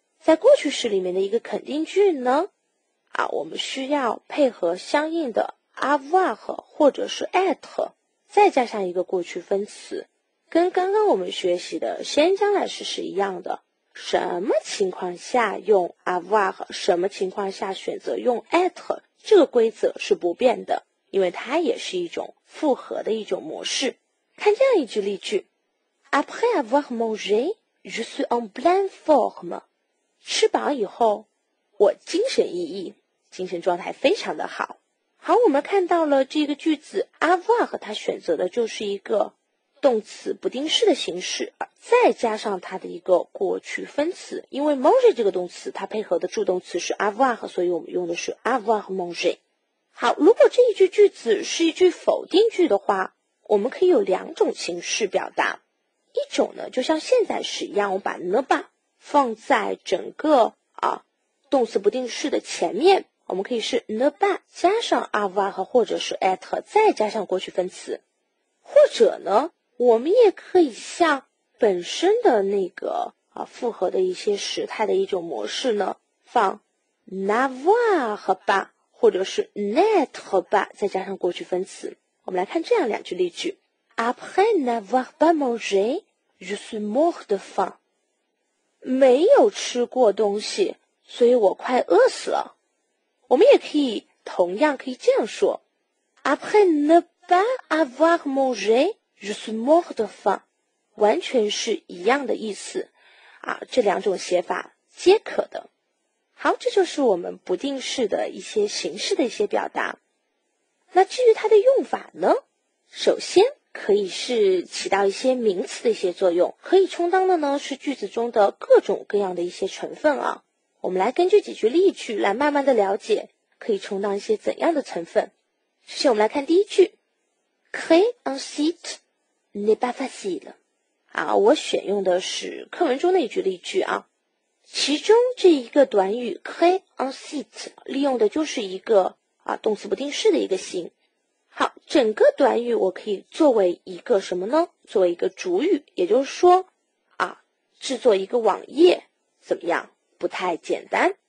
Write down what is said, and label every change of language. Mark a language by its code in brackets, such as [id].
[zh] 在过去式里面的一个肯定句呢，我们需要配合相应的 avoir 或者是 être， 再加上一个过去分词，跟刚刚我们学习的先将来时是一样的。什么情况下用 avoir， 什么情况下选择用 être， 这个规则是不变的，因为它也是一种复合的一种模式。 [fr] 看这样一句例句， Après avoir mangé, je suis en pleine forme。 [zh] 吃饱以后，我精神奕奕，精神状态非常的好。好，我们看到了这个句子 avoir， 它选择的就是一个动词不定式的形式，再加上它的一个过去分词，因为 manger 这个动词它配合的助动词是 avoir， 所以我们用的是 avoir manger。好，如果这一句句子是一句否定句的话，我们可以有两种形式表达。一种呢，就像现在时一样，我把 ne pas 放在整个动词不定式的前面，我们可以是 ne pas 加上 avoir 或者是 être 再加上过去分词。或者呢，我们也可以像本身的那个复合的一些时态的一种模式呢，放 n'avoir pas 或者是 n'être pas 再加上过去分词。 [fr] 我们来看这样两句例句， Après n'avoir pas mangé, je suis mort de faim。 [zh] 没有吃过东西，所以我快饿死了。 [fr] 我们也可以同样可以这样说， Après ne pas avoir mangé, je suis mort de faim。 [zh] 完全是一样的意思啊，这两种写法皆可的。好，这就是我们不定式的一些形式的一些表达。那至于它的用法呢，首先可以是起到一些名词的一些作用，可以充当的呢是句子中的各种各样的一些成分啊。我们来根据几句例句来慢慢的了解可以充当一些怎样的成分。首先我们来看第一句， [fr] Créer un site n'est pas facile。 [zh] 我选用的是课文中的一句例句啊，其中这一个短语 [fr] Créer un site [zh] 利用的就是一个动词不定式的一个形。好，整个短语我可以作为一个什么呢，作为一个主语，也就是说制作一个网页怎么样，不太简单。